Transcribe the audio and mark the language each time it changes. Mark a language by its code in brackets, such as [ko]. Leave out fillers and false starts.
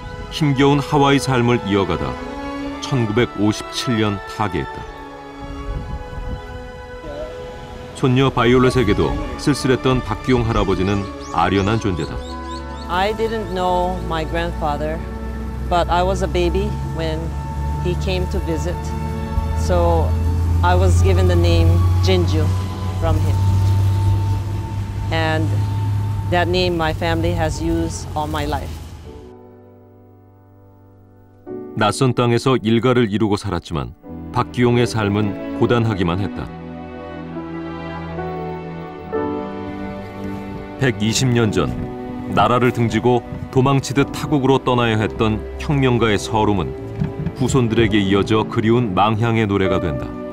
[ko] 힘겨운 하와이 삶을 이어가다 1957년 타계했다. 손녀 바이올렛에게도 쓸쓸했던 박기용 할아버지는 아련한 존재다. [en] I didn't know my grandfather. But I was a baby when he came to visit. So I was given the name Jinju from him. And that name my family has used all my life. [ko] 낯선 땅에서 일가를 이루고 살았지만 박기용의 삶은 고단하기만 했다. 120년 전 나라를 등지고 도망치듯 타국으로 떠나야 했던 혁명가의 서름은 후손들에게 이어져 그리운 망향의 노래가 된다.